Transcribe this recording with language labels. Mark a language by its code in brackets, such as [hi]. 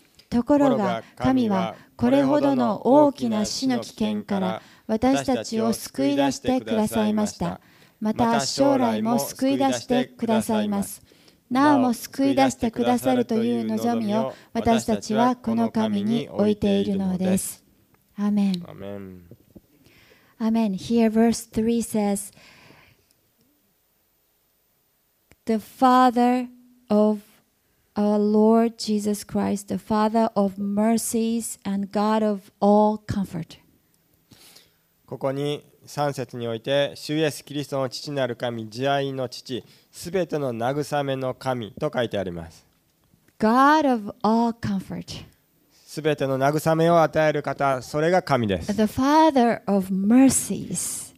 [ja] ところが神はこれほどの大きな死の危険から私たちを救い出してくださいました。また将来も救い出してくださいます。なおも救い出してくださるという望みを私たちはこの神に置いているのです。アーメン。アーメン。アーメン。 [en] Here verse 3 says The Father of our Lord Jesus Christ, the Father of mercies and God of all comfort. [ja] ここに3節において主イエスキリストの父なる神、慈愛の父、すべての慰めの神と書いてあります。 [en] God of all comfort、 [ja] すべての慰めを与える方、それが神です。 [en] The Father of mercies、